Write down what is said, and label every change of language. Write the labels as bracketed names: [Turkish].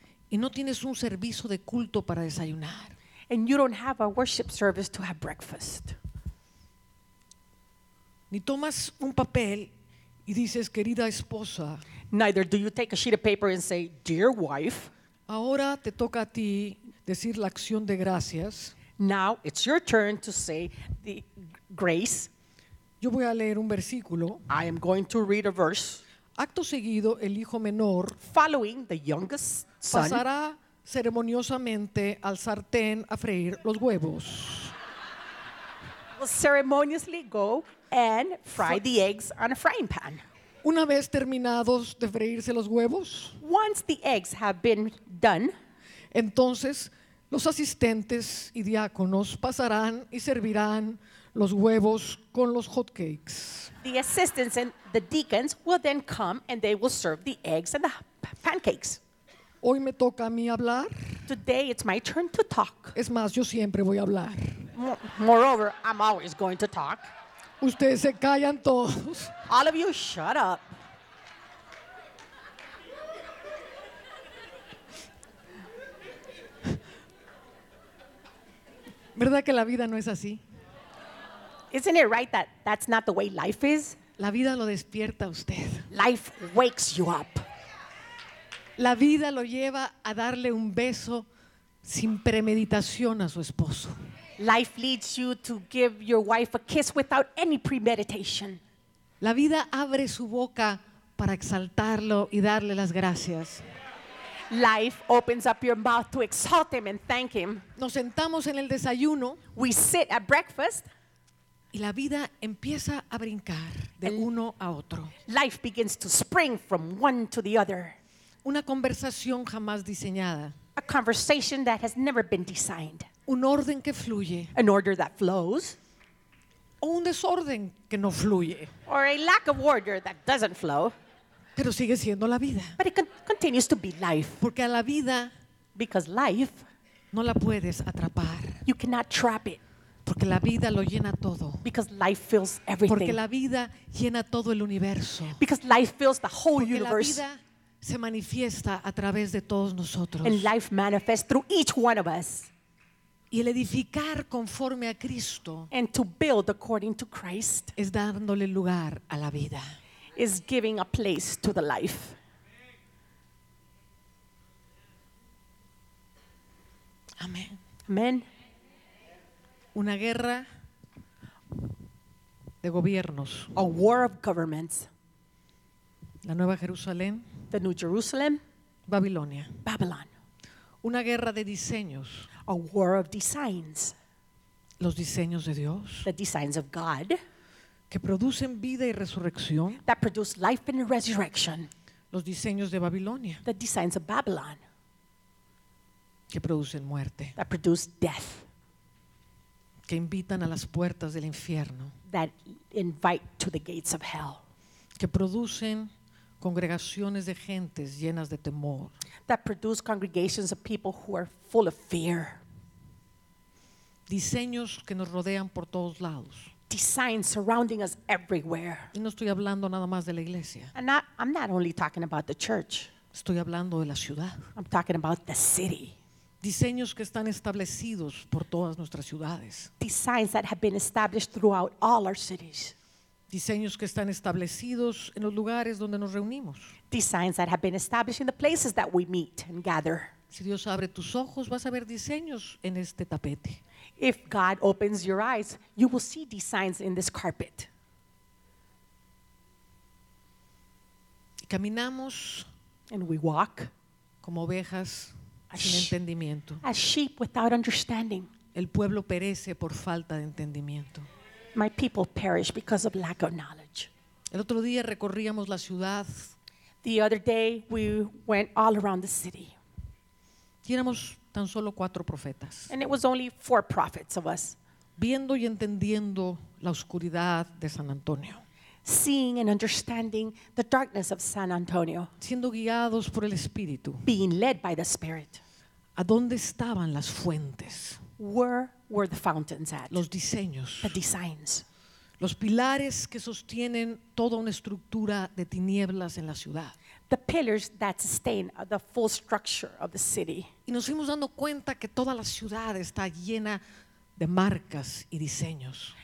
[Spanish] Y no tienes un servicio de culto para desayunar. [English] And you don't have a worship service to have breakfast. [Spanish] Ni tomas un papel y dices, querida esposa. [English] Neither do you take a sheet of paper and say, dear wife. [Spanish] Ahora te toca a ti decir la acción de gracias. [English] Now it's your turn to say the grace. [Spanish] Yo voy a leer un versículo. [English] I am going to read a verse. [Spanish] Acto seguido, el hijo menor, [English] following the youngest son, [Spanish] pasará ceremoniosamente al sartén a freír los huevos. [English] Will ceremoniously go and fry the eggs on a frying pan. [Spanish] Una vez terminados de freírse los huevos, [English] once the eggs have been done, [Spanish] entonces los asistentes y diáconos pasarán y servirán los huevos con los hot cakes. [English] The assistants and the deacons will then come and they will serve the eggs and the pancakes. [Spanish] Hoy me toca a mí hablar. [English] Today it's my turn to talk. [Spanish] Es más, yo siempre voy a hablar. [English] Moreover, I'm always going to talk. [Spanish] Ustedes se callan todos. [English] All of you shut up. [Spanish] ¿Verdad que la vida no es así? [English] Isn't it right that that's not the way life is? [Spanish] La vida lo despierta a usted. [English] Life wakes you up. [Spanish] La vida lo lleva a darle un beso sin premeditación a su esposo. [English] Life leads you to give your wife a kiss without any premeditation. [Spanish] La vida abre su boca para exaltarlo y darle las gracias. [English] Life opens up your mouth to exalt him and thank him. [Spanish] Nos sentamos en el desayuno. [English] We sit at breakfast. [Spanish] Y la vida empieza a brincar de uno a otro. [English] Life begins to spring from one to the other. [Spanish] Una conversación jamás diseñada. [English] A conversation that has never been designed. [Spanish] Un orden que fluye. [English] An order that flows. [Spanish] O un desorden que no fluye. [English] Or a lack of order that doesn't flow. [Spanish] Pero sigue siendo la vida. [English] But it continues to be life. [Spanish] Porque a la vida, [English] because life, [Spanish] no la puedes atrapar. [English] You cannot trap it. [Spanish] Porque la vida lo llena todo. [English] Because life fills everything. [Spanish] Porque la vida llena todo el universo. [English] Because life fills the whole [Spanish] Porque [English] universe. [Spanish] La vida se manifiesta a través de todos nosotros. [English] And life manifests through each one of us. [Spanish] Y el edificar conforme a Cristo, [English] and to build according to Christ, [Spanish] es dándole lugar a la vida, [English] is giving a place to the life. [Spanish] Amén. [English] Amén. [Spanish] Una guerra de gobiernos. [English] A war of governments. [Spanish] La Nueva Jerusalén. [English] The New Jerusalem. [Spanish] Babilonia. [English] Babylon. [Spanish] Una guerra de diseños. [English] A war of designs. [Spanish] Los diseños de Dios. [English] The designs of God. [Spanish] Que producen vida y resurrección. [English] That produce life and resurrection. [Spanish] Los diseños de Babilonia. [English] The designs of Babylon. [Spanish] Que producen muerte. [English] That produce death. [Spanish] Que invitan a las puertas del infierno. [English] That invite to the gates of hell. [Spanish] Que producen congregaciones de gentes llenas de temor. [English] That produce congregations of people who are full of fear. [Spanish] Diseños que nos rodean por todos lados. [English] Designs surrounding us everywhere. [Spanish] Y no estoy hablando nada más de la iglesia. [English] I'm not only talking about the church. [Spanish] Estoy hablando de la ciudad. [English] I'm talking about the city. [Spanish] Diseños que están establecidos por todas nuestras ciudades. [English] Designs that have been established throughout all our cities. [Spanish] Diseños que están establecidos en los lugares donde nos reunimos. [English] Designs that have been established in the places that we meet and gather. [Spanish] Si Dios abre tus ojos, vas a ver diseños en este tapete. [English] If God opens your eyes, you will see designs in this carpet. [Spanish] Caminamos. [English] And we walk. [Spanish] Como ovejas. Sin entendimiento. [English] As sheep without understanding. [Spanish] El pueblo perece por falta de entendimiento. [English] My people perish because of lack of knowledge. [Spanish] El otro día recorríamos la ciudad. [English] The other day we went all around the city. [Spanish] Y éramos tan solo cuatro profetas. [English] And it was only four prophets of us. [Spanish] Viendo y entendiendo la oscuridad de San Antonio. [English] Seeing and understanding the darkness of San Antonio. [Spanish] Siendo guiados por el Espíritu. [English] Being led by the Spirit. [Spanish] ¿A dónde estaban las fuentes? [English] Where were the fountains at? [Spanish] Los diseños. [English] The designs. [Spanish] Los pilares que sostienen toda una estructura de tinieblas en la ciudad. [English] the pillars that sustain the full structure of the city. [Spanish] Y nos fuimos dando cuenta que toda la ciudad está llena de marcas y diseños.